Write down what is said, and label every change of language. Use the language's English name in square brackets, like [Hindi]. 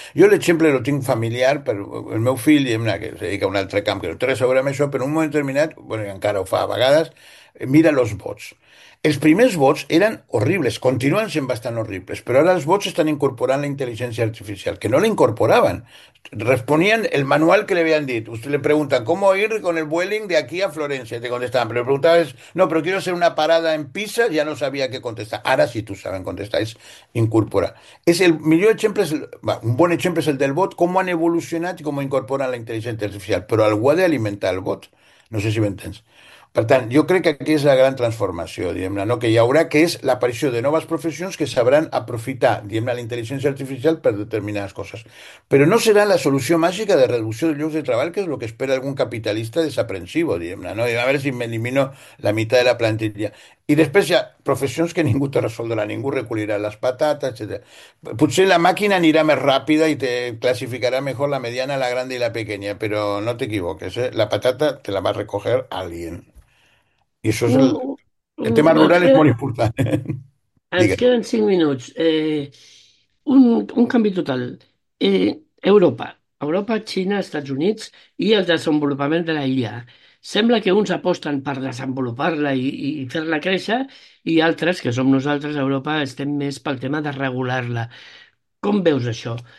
[Catalan] Jo l'exemple el tinc familiar, però el meu fill, diguem-ne, que es dedica a un altre camp que no té res a veure amb això, però en un moment determinat, bueno, encara ho fa a vegades, [Spanish] mira los bots. [Catalan] Els primers bots eren horribles, continuen sent bastant horribles, però ara els bots estan incorporant la intel·ligència artificial, que no la incorporaven. Responien el manual que li havien dit. [Spanish] Usted le pregunta, ¿cómo ir con el Vueling de aquí a Florencia? Te contestaban, pero le preguntaba, no, pero quiero hacer una parada en Pisa, ya no sabía qué contestar. Ahora sí tú sabes contestar, es incorporar. Es el millón ejemplo, un buen ejemplo es el del bot, cómo han evolucionado y cómo incorporan la inteligencia artificial, pero algo ha de alimentar el bot. No sé si me entiendes. [Catalan] Per tant, jo crec que aquí és la gran transformació, diguem-ne, no? Que hi haurà, que és l'aparició de noves professions que sabran aprofitar, diguem-ne, la intel·ligència artificial per determinades coses. Però no serà la solució màgica de reducció de llocs de treball, que és el que espera algun capitalista desaprensivo, diguem-ne, no? I a veure si m'elimino la meitat de la plantilla. I després hi ha professions que ningú te resoldrà, ningú recollirà les patates, etc. Potser la màquina anirà més ràpida i te classificarà millor la mediana, la gran i la pequeña, però no t'equivoques, eh? [Spanish] La patata te la va recoger alguien. [Catalan] I això és el tema rural és molt important. Ens Digues. queden 5 minuts. Un canvi total. Europa. Europa, Xina, Estats Units i el desenvolupament de la IA. Sembla que uns aposten per desenvolupar-la i fer-la créixer i altres, que som nosaltres, a Europa, estem més pel tema de regular-la. Com veus això?